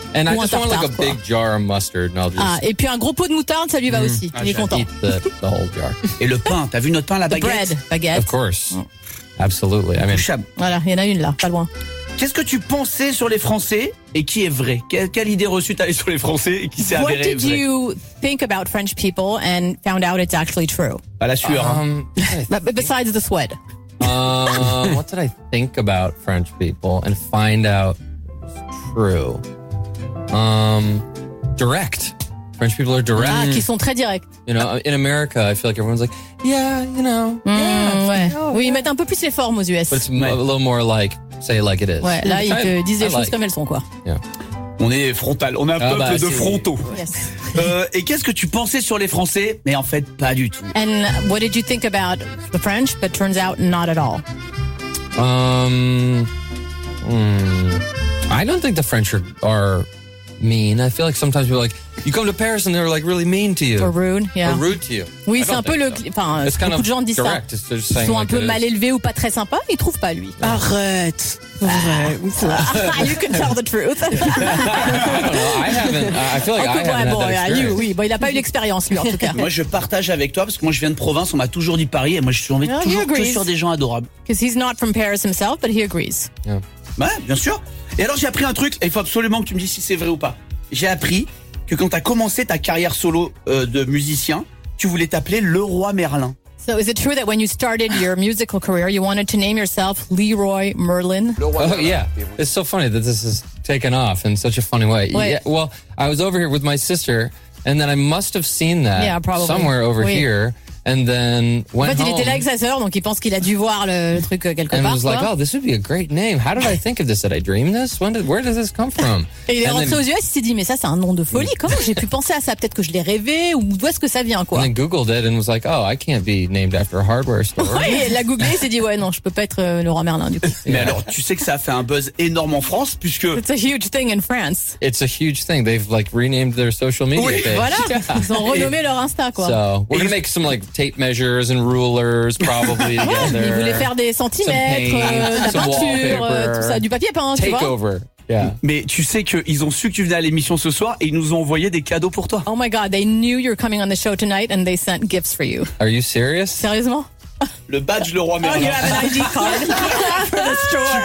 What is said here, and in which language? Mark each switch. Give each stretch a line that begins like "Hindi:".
English: And I just want like a big jar of mustard. And I'll just...
French: Ah, et puis un gros pot de moutarde, ça lui va aussi. Il est content.
English: The whole jar.
French: Et le pain, t'as vu notre pain, la baguette?
English: The bread, baguette. Of course. Absolutely. I mean...
French: Voilà, il y en a une là, pas loin. Qu'est-ce que tu pensais sur les Français et qui est vrai? Quelle idée reçue t'avais sur les Français et qui s'est avérée vraie?
English: What did you think about French people and found out it's actually true?
French: À la sueur.
English: Besides the sweat. What did I think about French people and find out it's true? Direct. French people are direct.
French: Ah, qui sont très directs.
English: You know, in America, I feel like everyone's like, yeah, you know. Mmh, yeah, ouais.
French: Oh, oui, ils mettent un peu plus les formes aux US.
English: But it's a little more like, say it like it is.
French: Ouais, là, ils te disent les choses comme elles sont, quoi. Yeah. On est frontal. On est un peuple de frontaux.
English: Yes.
French: Et qu'est-ce que tu pensais sur les Français? Mais en fait, pas du tout.
English: And what did you think about the French? But turns out, not at all. I don't think the French are mean. I feel like sometimes people are like, you come to Paris and they're like really mean to you. Or rude, yeah. Or rude to you.
French: Oui, c'est un peu le... Enfin, beaucoup de gens disent
English: direct.
French: Ça. Ils sont un peu mal élevés ou pas très sympas, ils trouvent pas lui. Yeah. Arrête. Arrête.
English: You can tell the truth. I don't know, I haven't... I feel like oh, I haven't had that.
French: Oui, bon, il a pas eu l'expérience, lui, en tout cas. Moi, je partage avec toi, parce que moi, je viens de province, on m'a toujours dit Paris, et moi, je suis tombé toujours sur des gens adorables.
English: Because he's not from Paris himself, but he agrees. Yeah.
French: Ouais, bien sûr. Et alors, j'ai appris un truc, et il faut absolument que tu me dises si c'est vrai ou pas. J'ai appris que quand tu as commencé ta carrière solo de musicien, tu voulais t'appeler le roi Merlin.
English: So is it true that when you started your musical career, you wanted to name yourself Leroy Merlin? Yeah. It's so funny that this has taken off in such a funny way. Yeah, well, I was over here with my sister and then I must have seen that somewhere over here and then went home.
French: En fait, il était là avec sa sœur, donc il pense qu'il a dû voir le truc quelque part.
English: And I was like, "Oh, this would be a great name. How did I think of this? Did I dream this? Where does this come from?"
French: Et il est rentré aux US, il s'est dit, mais ça, c'est un nom de folie. Comment j'ai pu penser à ça? Peut-être que je l'ai rêvé ou d'où est-ce que ça vient, quoi?
English: And then googled it and was like, oh, I can't be named after a hardware store.
French: Oui, il a googlé, il s'est dit, ouais, non, je peux pas être le roi Merlin, du coup. Mais alors, tu sais que ça a fait un buzz énorme en France, puisque...
English: It's a huge thing in France. It's a huge thing. They've, like, renamed their social media page. Voilà, ils ont renommé leur Insta, quoi. So, we're gonna make some, like, tape measures and rulers, probably, together.
French: Ils voulaient faire des centimètres,
English: some paint,
French: la peinture, tout ça, du papier peint, tu vois.
English: Takeover. Yeah.
French: Mais tu sais qu'ils ont su que tu venais à l'émission ce soir et ils nous ont envoyé des cadeaux pour toi.
English: Oh my god, they knew you were coming on the show tonight and they sent gifts for you. Are you serious?
French: Sérieusement? Le badge Le Roi Merlin.
English: Oh, you have an ID card for the store.